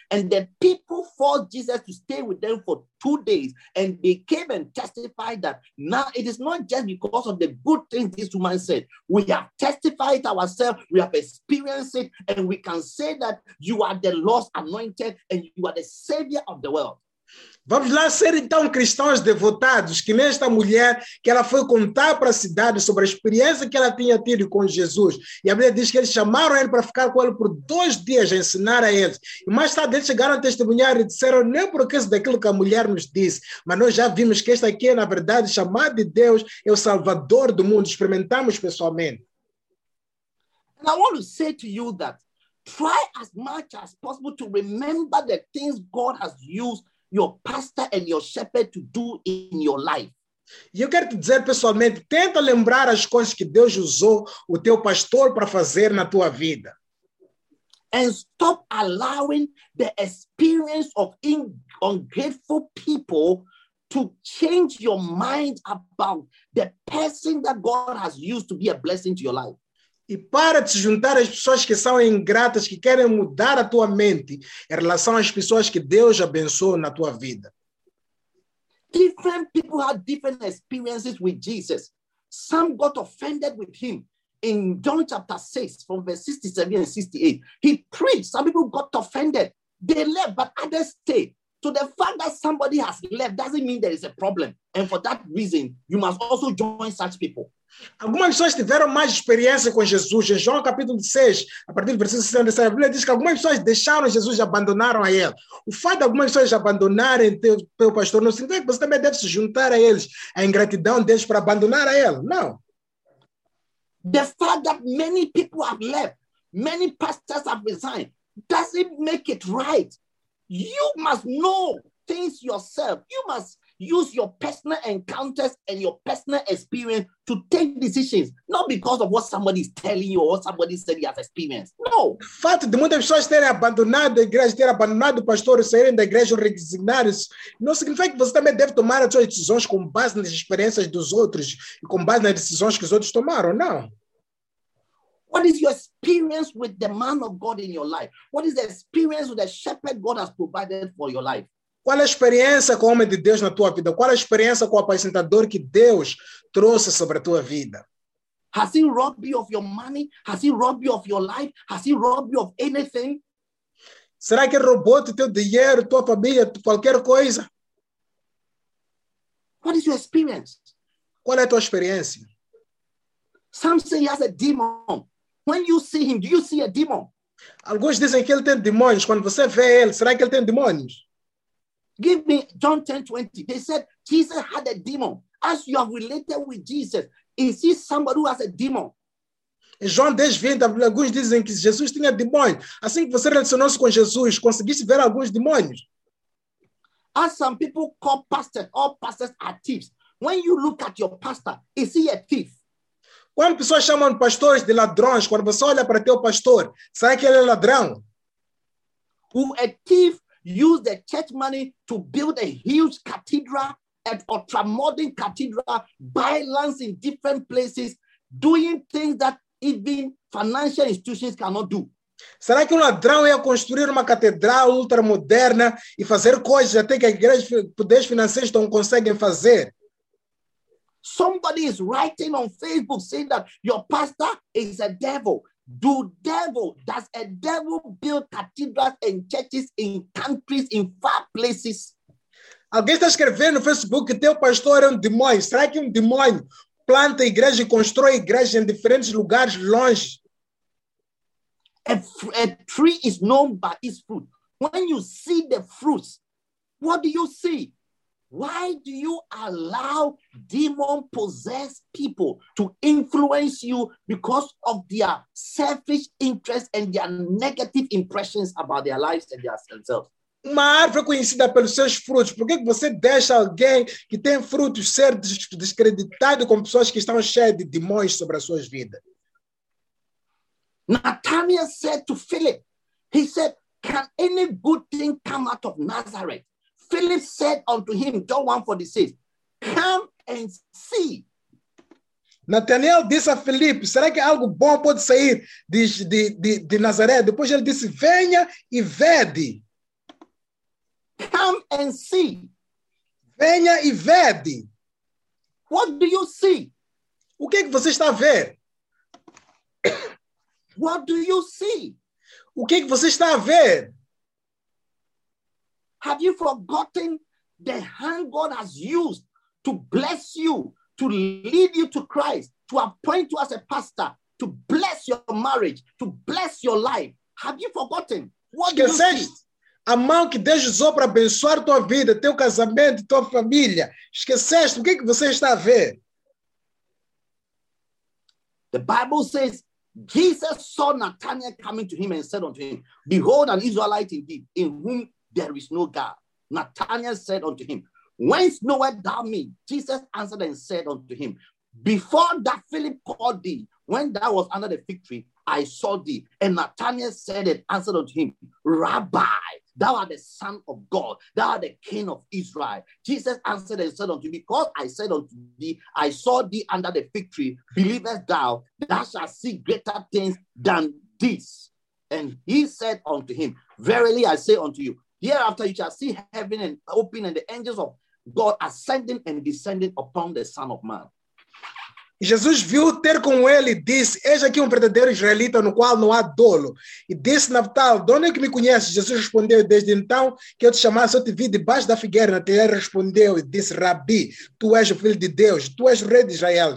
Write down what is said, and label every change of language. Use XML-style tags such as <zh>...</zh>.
<en>And the people forced Jesus to stay with them for 2 days. And they came and testified that now it is not just because of the good things this woman said. We have testified ourselves, we have experienced it, and we can say that you are the Lord's anointed and you are the savior of the world.</en> <pt>Vamos lá ser então cristãos devotados, que nesta mulher que ela foi contar para a cidade sobre a experiência que ela tinha tido com Jesus. E a Bíblia diz que eles chamaram ele para ficar com ele por 2 dias a ensinar a eles. E mais tarde eles chegaram a testemunhar e disseram, não por causa daquilo que a mulher nos disse, mas nós já vimos que este aqui é, na verdade, chamado de Deus, é o Salvador do mundo. Experimentamos pessoalmente.</pt> <en>And I want to say to you that try as much as possible to remember the things God has used your pastor and your shepherd to do in your life.</en> <pt>Eu quero te dizer pessoalmente, tenta lembrar as coisas que Deus usou o teu pastor para fazer na tua vida.</pt> <en>And stop allowing the experience of ungrateful people to change your mind about the person that God has used to be a blessing to your life.</en> <pt>E para de se juntar às pessoas que são ingratas, que querem mudar a tua mente em relação às pessoas que Deus abençoou na tua vida.</pt> <en>Different people had different experiences with Jesus. Some got offended with him. In John chapter 6, from verse 67 and 68, he preached. Some people got offended. They left, but others stayed. So the fact that somebody has left doesn't mean there is a problem. And for that reason, you must also join such people.</en> <pt>Algumas pessoas tiveram mais experiência com Jesus. Em João capítulo 6, a partir do versículo 67, a Bíblia diz que algumas pessoas deixaram Jesus e abandonaram a ele. O fato de algumas pessoas abandonarem teu pastor não significa que você também deve se juntar a eles, a ingratidão deles para abandonar a ele. Não.</pt> <en>The fact that many people have left, many pastors have resigned, doesn't make it right. You must know. things yourself. You must use your personal encounters and your personal experience to take decisions, not because of what somebody is telling you or what somebody said he has experienced. No.</en> <pt>O fato de muitas pessoas terem abandonado a igreja, terem abandonado o pastor, saírem da igreja, resignar-se, não significa que você também deve tomar as suas decisões com base nas experiências dos outros e com base nas decisões que os outros tomaram, não.</pt> <en>What is your experience with the man of God in your life? What is the experience with the shepherd God has provided for your life?</en> <pt>Qual a experiência com o homem de Deus na tua vida? Qual a experiência com o apacentador que Deus trouxe sobre a tua vida?</pt> <en>Has he robbed you of your money? Has he robbed you of your life? Has he robbed you of anything?</en> <pt>Será que roubou teu dinheiro, tua família, qualquer coisa?</pt> <en>What is your experience?</en> <pt>Qual é a tua experiência?</pt> <en>Some say he has a demon. When you see him, do you see a demon?</en> <pt>Alguns dizem que ele tem demônios. Quando você vê ele, será que ele tem demônios?</pt> <en>Give me John 10:20. They said Jesus had a demon. As you have related with Jesus, is he somebody who has a demon?</en> <pt>Em João 10:20, alguns dizem que Jesus tinha demônios. Assim que você relacionou-se com Jesus, conseguiste ver alguns demônios?</pt> <en>As some people call pastors, all pastors are thieves. When you look at your pastor, is he a thief?</en> <pt>Quando pessoas chamam pastores de ladrões, quando você olha para teu pastor, será que ele é ladrão?</pt> <en>Who a thief used the church money to build a huge cathedral, an ultramodern cathedral, buy lands in different places, doing things that even financial institutions cannot do?</en> <pt>Será que um ladrão ia construir uma catedral ultramoderna e fazer coisas até que a igreja, poderes financeiros não conseguem fazer?</pt> <en>Somebody is writing on Facebook saying that your pastor is a devil. Does a devil build cathedrals and churches in countries, in far places?</en> <pt>Alguém está escrevendo no Facebook que teu pastor é demônio. Será que demônio planta igreja e constrói igreja em diferentes lugares longe?</pt> <en>A tree is known by its fruit. When you see the fruits, what do you see? Why do you allow demon-possessed people to influence you because of their selfish interests and their negative impressions about their lives and themselves?</en> <pt>Uma árvore conhecida pelos seus frutos. Por que você deixa alguém que tem frutos ser descreditado com pessoas que estão cheias de demônios sobre as suas vidas?</pt> <en>Nathanael said to Philip, he said, can any good thing come out of Nazareth? Philip said unto him, John 1:46, come and see.</en> <pt>Nathanael disse a Filipe, será que algo bom pode sair de Nazaré? Depois ele disse, venha e vede.</pt> <en>Come and see.</en> <pt>Venha e vede.</pt> <en>What do you see?</en> <pt>O que é que você está a ver?</pt> <en>What do you see?</en> <pt>O que é que você está a ver?</pt> <en>Have you forgotten the hand God has used to bless you, to lead you to Christ, to appoint you as a pastor, to bless your marriage, to bless your life? Have you forgotten? What do you see?</en> <pt>A mão que Deus usou para abençoar tua vida, teu casamento, tua família. Esqueceste? O que você está a ver?</pt> <en>The Bible says, Jesus saw Nathanael coming to him and said unto him, behold, an Israelite indeed, in whom there is no God. Nathanael said unto him, whence knowest thou me? Jesus answered and said unto him, before that Philip called thee, when thou was under the fig tree, I saw thee. And Nathanael said and answered unto him, Rabbi, thou art the Son of God. Thou art the King of Israel. Jesus answered and said unto him, because I said unto thee, I saw thee under the fig tree, believest thou, thou shalt see greater things than this. And he said unto him, verily I say unto you, hereafter you shall see heaven and open and the angels of God ascending and descending upon the Son of Man.</en> <pt>Jesus viu ter com ele e disse, eis aqui verdadeiro israelita no qual não há dolo. E disse, Natal, de onde é que me conheces? Jesus respondeu, desde então que eu te chamasse, eu te vi debaixo da figueira. Natal respondeu e disse, Rabi, tu és o filho de Deus, tu és o rei de Israel.</pt>